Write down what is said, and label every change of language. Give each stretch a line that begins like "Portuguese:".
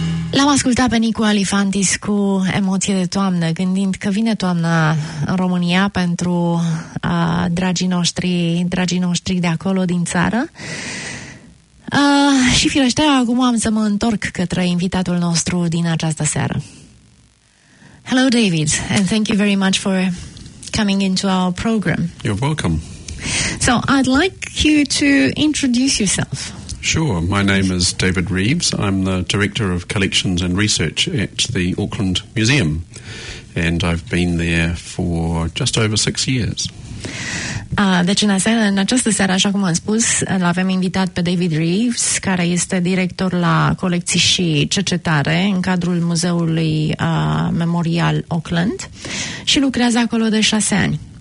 Romanian: L-am ascultat pe Nicu Alifantis cu emoție de toamnă, gândind că vine toamna în România pentru dragii noștri de acolo, din țară. Și firește, acum am să mă întorc către invitatul nostru din această seară.
English: Hello, David, and thank you very much for coming into our program. You're welcome. So I'd like you to introduce yourself. Sure. My name is David Reeves. I'm the Director of Collections and Research at the Auckland Museum, and I've been there for just over 6 years.
Romanian: Deci în această seară, așa cum am spus, l-avem invitat pe David Reeves, care este director la colecții și cercetare în cadrul Muzeului Memorial Auckland și lucrează acolo de 6 ani.